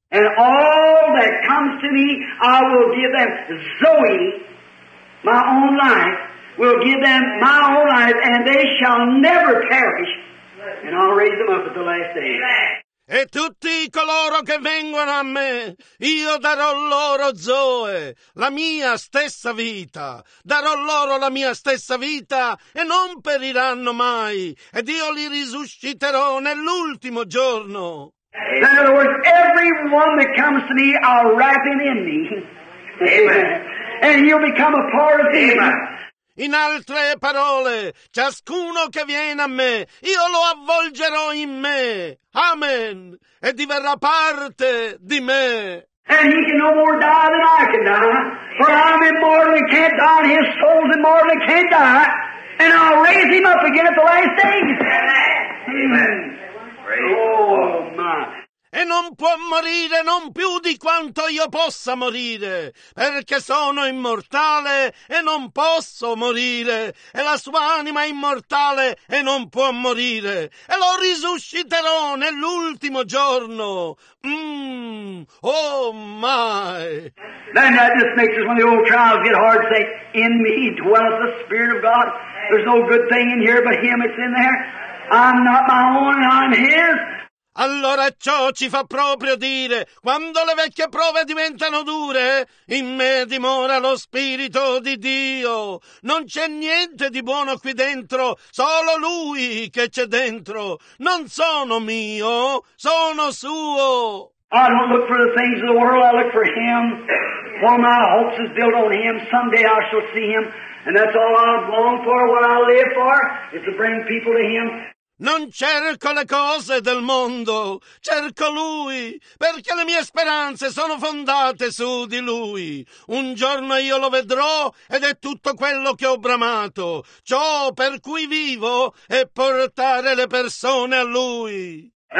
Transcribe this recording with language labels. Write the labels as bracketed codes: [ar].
[en] And all that comes to me, I will give them Zoe, my own life, will give them my own life, and they shall never perish. And I'll raise them up at the last day. [it] E tutti coloro che vengono a me, io darò loro Zoe, la mia stessa vita. Darò loro la mia stessa vita e non periranno mai. Ed io li risusciterò nell'ultimo giorno. [en] In other words, everyone that comes to me, I'll wrap him in me. Amen. And he'll become a part of me. [it] In altre parole, ciascuno che viene a me, io lo avvolgerò in me. Amen. E diverrà parte di me. [en] And he can no more die than I can die. For I'm immortal and can't die, and his soul's immortal and can't die. And I'll raise him up again at the last day. Amen. Amen. Oh, my. [it] E non può morire non più di quanto io possa morire, perché sono immortale e non posso morire, e la sua anima è immortale e non può morire, e lo risusciterò nell'ultimo giorno. [en] Oh my! Then that just makes us, when the old trials get hard, say, in me dwells the Spirit of God. There's no good thing in here but Him, it's in there. I'm not my own, I'm His. [it] Allora ciò ci fa proprio dire, quando le vecchie prove diventano dure, in me dimora lo Spirito di Dio. Non c'è niente di buono qui dentro, solo Lui che c'è dentro. Non sono mio, sono suo. [en] I don't look for the things of the world, I look for Him. For my hopes is built on Him, someday I shall see Him. And that's all I long for, what I live for, is to bring people to Him. [it] Non cerco le cose del mondo, cerco Lui, perché le mie speranze sono fondate su di Lui. Un giorno io lo vedrò ed è tutto quello che ho bramato. Ciò per cui vivo è portare le persone a Lui.